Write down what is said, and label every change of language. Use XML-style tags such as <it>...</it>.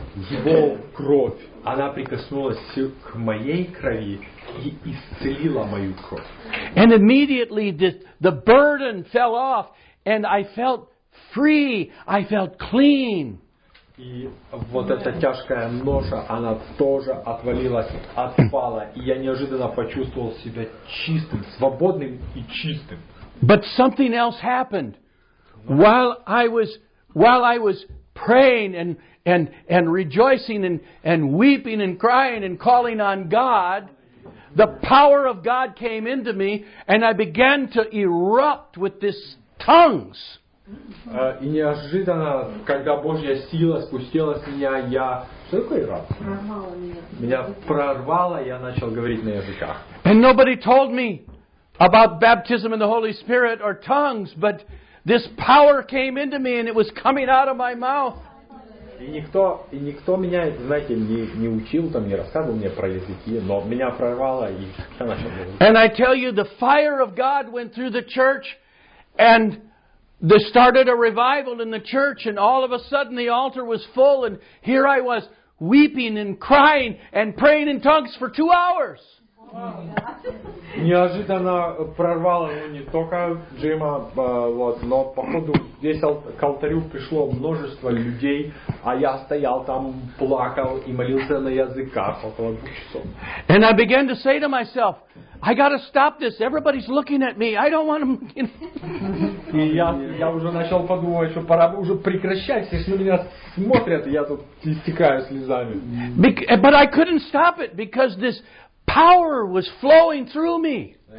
<ru>Его кровь, она прикоснулась к моей крови и исцелила мою кровь.</ru> <en>And immediately the burden fell off, and I felt free. I felt clean.</en> <ru>И вот эта тяжкая ноша, она тоже отвалилась, отпала. И я неожиданно почувствовал себя чистым, свободным и чистым.</ru> <en>But something else happened. While I was praying and rejoicing and weeping and crying and calling on God, the power of God came into me and I began to erupt with this tongues.</en> <ru>И неожиданно, когда Божья сила спустилась на меня, я... Что такое рад? Меня прорвало, я начал говорить на языках.</ru> <en>And nobody told me about baptism in the Holy Spirit or tongues, but this power came into me and it was coming out of my mouth.</en> <ru>И никто меня, знаете, не учил там, не рассказывал мне про языки, но меня прорвало, и я начал говорить.</ru> <en>And I tell you, the fire of God went through the church, and they started a revival in the church, and all of a sudden the altar was full, and here I was weeping and crying and praying in tongues for 2 hours.</en> <ru>Неожиданно прорвало не только Джима, вот, но походу здесь к алтарю пришло множество людей, а я стоял там, плакал и молился на языках около 2 часов.</ru> <en>And I began to say to myself, I gotta stop this. Everybody's looking at me. I don't want them.</en> <ru>И я уже начал подумывать, что пора бы уже прекращать. Все на меня смотрят, и я тут истекаю слезами.</ru> <en>But I couldn't stop it because this power was flowing through me.</en>